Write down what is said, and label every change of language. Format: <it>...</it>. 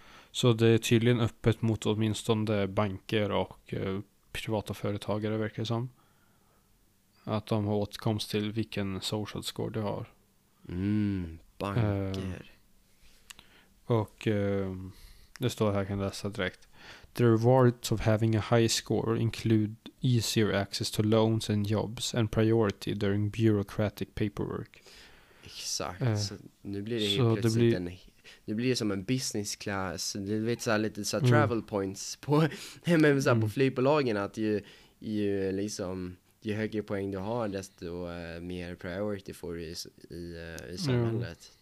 <sv>Så det är tydligen öppet mot åtminstone banker och privata företagare, verkar det som. Att de har åtkomst till vilken social score du har. Mm, banker. Och det står här, kan läsa direkt.</sv> <en>The rewards of having a high score include easier access to loans and jobs and priority during bureaucratic paperwork.</en> <sv>Exakt. Så nu blir det så plötsligt, det blir... Nu blir det som en business class. Du vet, så här, lite så här, travel points på, men, så här, på flygbolagen, att ju liksom, ju högre poäng du har, desto mer priority får du i samhället. Ja.</sv>